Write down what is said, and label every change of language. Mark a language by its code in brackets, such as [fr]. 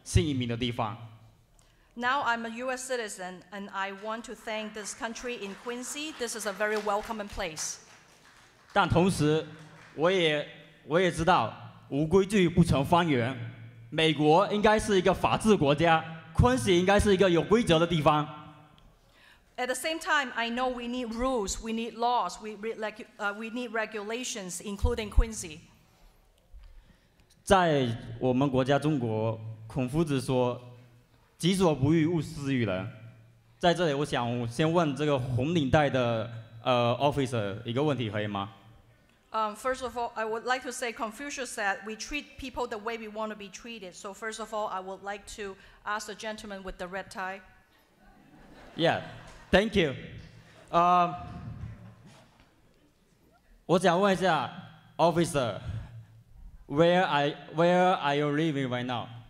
[zh] 现在我也是美国公民了，我非常感谢美国和昆西，它是一个如此欢迎新移民的地方。Now [en] I'm a U.S. citizen, and I want to thank this country in Quincy. This is a very welcoming place. [zh] 但同时，我也知道，无规矩不成方圆。美国应该是一个法治国家，昆西应该是一个有规则的地方。 [en] At the same time, I know we need rules, we need laws, we need regulations, including Quincy. [zh] 在我们国家中国，孔夫子说，己所不欲，勿施于人。在这里，我想先问这个红领带的officer一个问题，可以吗？ [en] First of all, I would like to say Confucius said we treat people the way we want to be treated. So first of all, I would like to ask the gentleman with the red tie. Yeah. Thank you. [zh] 我想问一下 [en] officer, where are you living right now?